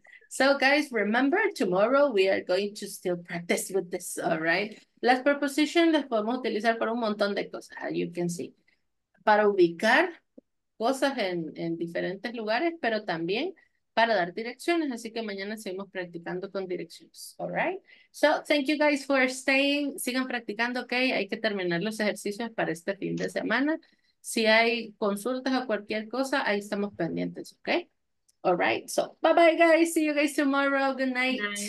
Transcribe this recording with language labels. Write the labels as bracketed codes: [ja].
[en] So guys, remember, tomorrow we are going to still practice with this, all right? [es] Las preposiciones las podemos utilizar para un montón de cosas, [en] you can see. [es] Para ubicar cosas en diferentes lugares, pero también para dar direcciones, así que mañana seguimos practicando con direcciones. [en] All right? So, thank you guys for staying. [es] Sigan practicando, [en] okay? [es] Hay que terminar los ejercicios para este fin de semana. Si hay consultas o cualquier cosa, ahí estamos pendientes, okay? [en] All right? So, bye-bye, guys. See you guys tomorrow. Good night.